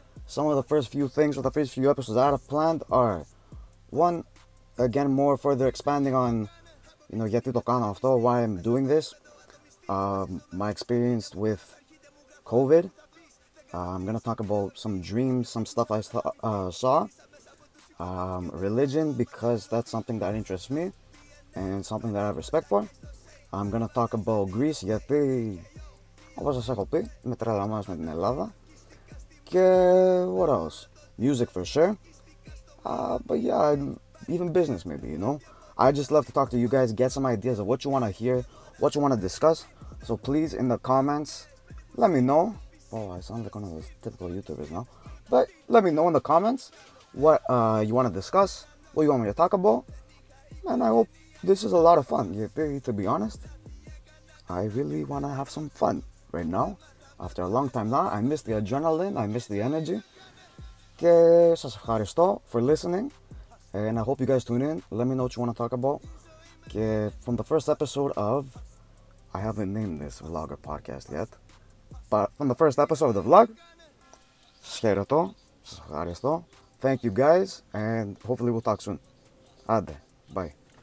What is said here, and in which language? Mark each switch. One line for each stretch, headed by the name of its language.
English: Some of the first few things or the first few episodes I have planned are, one, again, more further expanding on, you know,
Greek: γιατί το κάνω αυτό,
English: why I'm doing this. My experience with COVID. I'm going to talk about some dreams, some stuff I saw. Religion, because that's something that interests me and something that I have respect for. I'm going to talk about Greece,
Greek: γιατί όπως σας έχω πει, είμαι τρελαμένος με την Ελλάδα.
English: Και what else? Music for sure. But yeah, even business maybe, you know. I just love to talk to you guys, get some ideas of what you want to hear, what you want to discuss. So please, in the comments, let me know. Oh, I sound like one of those typical YouTubers now. But let me know in the comments what you want to discuss, what you want me to talk about. And I hope this is a lot of fun. To be honest, I really want to have some fun right now. After a long time now, I miss the adrenaline. I miss the energy.
Greek: Και σας ευχαριστώ
English: for listening. And I hope you guys tune in. Let me know what you want to talk about. Και from the first episode of... I haven't named this vlog or podcast yet. But from the first episode of the vlog,
Greek: χαιρετώ, σας ευχαριστώ.
English: Thank you guys, and hopefully we'll talk soon. Άντε, bye.